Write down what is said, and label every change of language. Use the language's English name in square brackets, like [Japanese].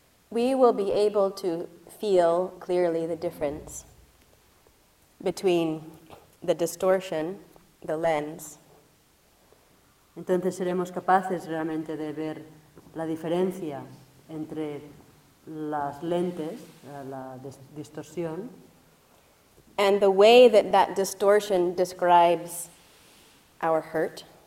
[English] We will be able to feel clearly the difference between the distortion, the lens. [Spanish] Entonces seremos capaces realmente de ver la diferencia entre las lentes, la distorsión, [English] and the way that that distortion describes our hurt.